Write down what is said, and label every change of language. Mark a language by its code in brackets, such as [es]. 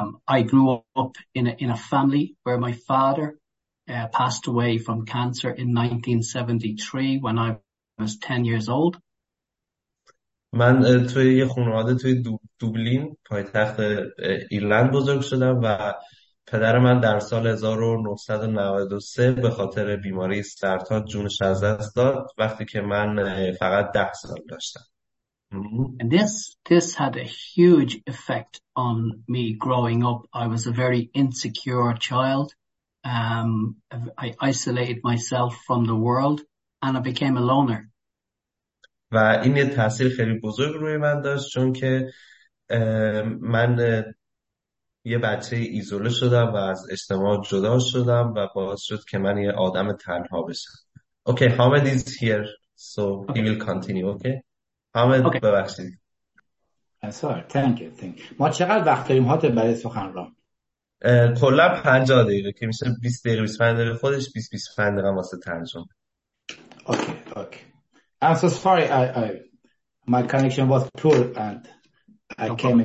[en] I grew up in a family where my father passed away from cancer in 1973 when I was 10 years old. [fa] من توی یه خانواده توی دوبلین پایتخت ایرلند بزرگ شدم و پدر من در سال 1993 به خاطر بیماری سرطان جونش از دست داد وقتی که من فقط 10 سال داشتم. [en] And this had a huge effect on me growing up. I was a very insecure child. I isolated myself from the world and I became a loner. [fa] و این یه تاثیر خیلی بزرگ روی من داشت چون که من یه بچه ایزوله شدم و از اجتماع جدا شدم و باعث شد که من یه آدم تنها بشم. [en] Okay, Hamid is here, so okay. He will continue, okay? Hamid, okay. [fa] ببخشید. [en] Sorry, thank you. [fa] ما چقدر وقت داریم هاته برای سخنران؟ کلا 50 دقیقه که میشه 20 دقیقه 25 دقیقه خودش 20-25 دقیقه واسه ترجمه. [en] Okay. I'm so sorry, I my connection was poor and I no came problem.